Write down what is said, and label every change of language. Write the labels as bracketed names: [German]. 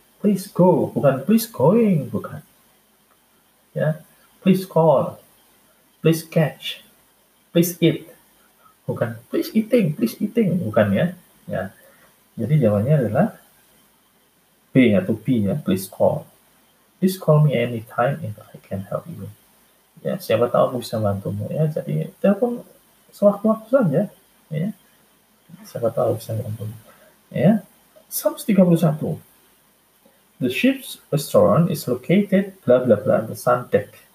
[English] Please go, bukan please going, bukan. Ya, please call, please catch, please eat. [Indonesian] Bukan please eating, bukan ya. Ya. Jadi jawabannya adalah B atau B ya, please call. [English] Please call me anytime if I can help you. [Indonesian] Ya, siapa tahu aku bisa bantumu ya. Jadi telepon sewaktu-waktu saja. Ya. Siapa tahu bisa bantumu. Ya. Psalms 31. [English] The ship's restaurant is located blah blah blah on the sun deck.